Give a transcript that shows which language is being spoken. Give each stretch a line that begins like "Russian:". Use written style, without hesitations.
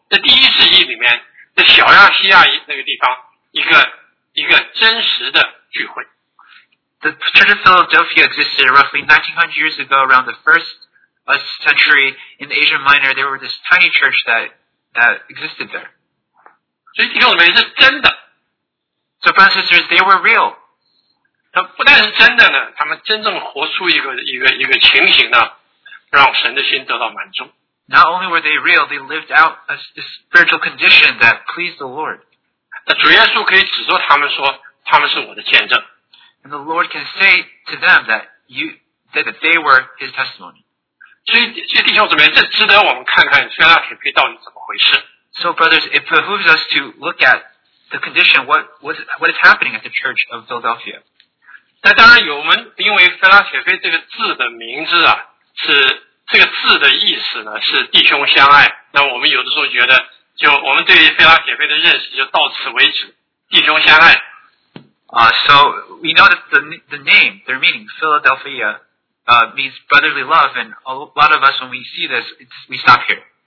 Chinese: 在第一世纪里面，在小亚细亚那个地方，一个真实的聚会。
English: The Church of Philadelphia existed roughly 1900 years ago, around the first century in Asia Minor. There was this tiny church that existed there.
Chinese: 所以弟兄姊妹是真的。
English: So brothers and sisters, they were real.
Chinese: 他不但是真的呢，他们真正活出一个情形呢，让神的心得到满足。
English: Not only were they real, they lived out a spiritual condition that pleased the Lord.
Chinese: 主耶稣可以指着他们说，他们是我的见证。
English: And the Lord can say to them that they were his testimony.
Chinese: 所以弟兄姊妹，这值得我们看看菲拉铁菲到底怎么回事。
English: So brothers, it behooves us to look at the condition, what is happening at the Church of Philadelphia.
Chinese: 但当然有我们，因为菲拉铁菲这个字的名字啊，是这个字的意思呢是弟兄相爱，那我们有的时候觉得就我们对于菲拉铁菲的认识就到此为止，弟兄相爱。
English: So we know that the name, their meaning, Philadelphia, means brotherly love, and a lot of us when we see this, we stop here.